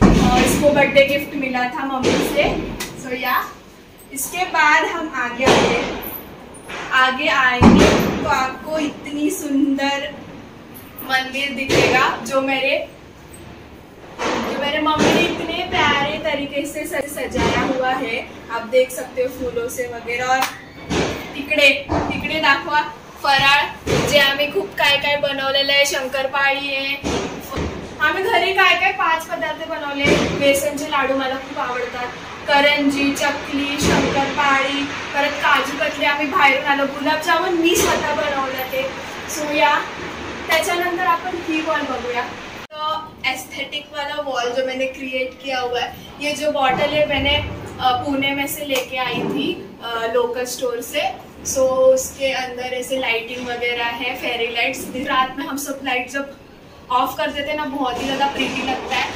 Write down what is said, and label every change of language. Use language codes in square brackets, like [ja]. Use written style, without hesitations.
[hi] और इसको birthday gift मिला था मम्मी से. सो या इसके बाद हम आगे आएंगे तो आपको इतनी सुंदर मंदिर दिखेगा, जो मेरे मम्मी ने इतने प्यारे तरीके से सजाया हुआ है. आप देख सकते हो फूलों से वगैरह. [mr] और तिकड़े दाखवा, फराळ जे आम्ही खूप काय बनवलेलं आहे, शंकरपाळी आहे. आम्ही घरी काय 5 पदार्थ बनवले. बेसनचे लाडू मला खूप आवडतात, करंजी, चकली, शंकरपाळी, परत काजू कतली आम्ही बाहेरून आलो, गुलाबजामुन मी स्वतः बनवला ते. सो या त्याच्यानंतर आपण ही वॉल बघूया. [hi] तो एस्थेटिक वाला वॉल जो मैंने क्रिएट किया हुआ है, ये जो बॉटल है मैंने पुणे में से लेके आई थी लोकल स्टोर से. सो उसके अंदर ऐसे लाइटिंग वगैरह है, फेरी लाइट्स. रात में हम सब लाइट जब ऑफ कर देते हैं ना, बहुत ही ज़्यादा प्रीटी लगता है.